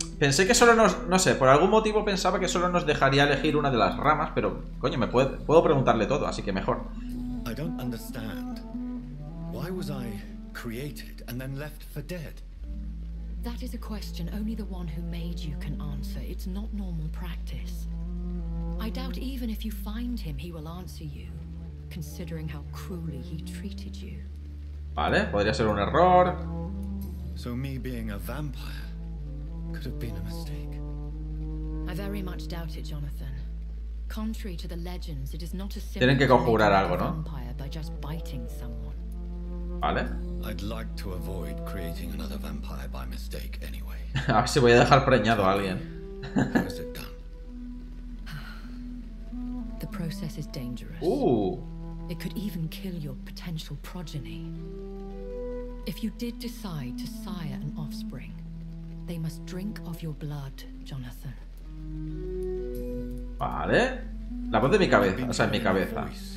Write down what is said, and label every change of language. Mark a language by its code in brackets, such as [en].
[es] Pensé que solo nos, no sé, por algún motivo pensaba que solo nos dejaría elegir una de las ramas, pero coño, puedo preguntarle todo, así que mejor. [en] I don't understand. Why was I created and then left for dead? That is a question only the one who made you can answer. It's not normal practice. I doubt even if you find him, he will answer you, considering how cruelly he treated you. [es] Vale, podría ser un error. [en] So me being a vampire could have been a mistake. I very much doubt it, Jonathan. Contrary to the legends, it is not a simple. [es] Tienen que conjurar algo, ¿no? [en] Vampire by just biting someone. [es] Vale. [en] I'd like to avoid creating another vampire by mistake anyway. [es] A ver si voy a dejar preñado a alguien. [en] How is it done? The process is dangerous. It could even kill your potential progeny. If you did decide to sire an offspring, they must drink of your blood, Jonathan. [es] Vale. La voz de mi cabeza, o sea, en mi cabeza.